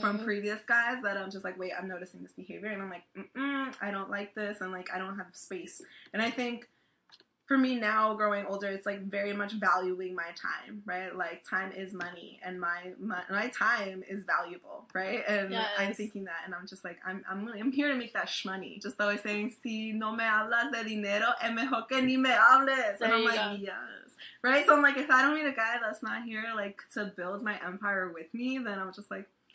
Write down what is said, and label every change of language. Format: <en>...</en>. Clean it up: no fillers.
<en>from previous guys that I'm just like, wait, I'm noticing this behavior, and I'm like, I don't like this, and like, I don't have space. And I think for me now, growing older, it's like very much valuing my time, right? Like, time is money, and my time is valuable, right? And yes. I'm thinking that, and I'm just like, I'm here to make that shmoney. Just always saying,</en> <es>si no me hablas de dinero, es mejor que ni me hables.</es> <en>There, and I'm like, go. Yes, right? So I'm like, if I don't meet a guy that's not here, like, to build my empire with me, then I'm just like,</en>